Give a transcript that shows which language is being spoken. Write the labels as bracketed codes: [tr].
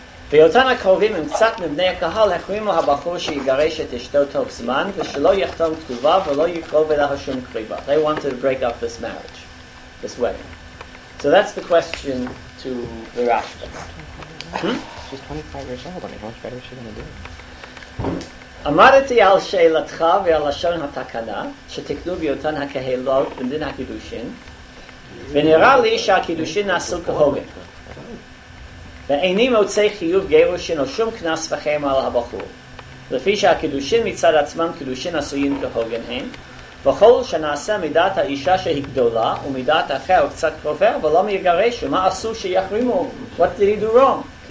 [he] ויותן הקרובים הם קצת מבני הקהל החרימו הבחור שיגרש את אשתו תוך זמן ושלא יחתום כתובה ולא יקרוב אליה שום קריבה. [en] They wanted to break up this marriage, this wedding. So that's the question to the Rashba. She's 25 years old, I mean, how much better is she going to do? [he] עמדתי על שאלתך ועל לשון התקנה שתקנו ביותן הקהלות בדין הקידושין ונראה לי שהקידושין נעשו כהוגן. ואיני מוצא חיוב גירושין או שום כנס וחם על הבחור. לפי שהקידושין מצד עצמם קידושין עשויים כהוגן הם, וכל שנעשה מידת האישה שהיא גדולה, ומידת אחר הוא קצת קרובר, ולא מיגרש, ומה עשו שיחרימו? [en] What did he do wrong?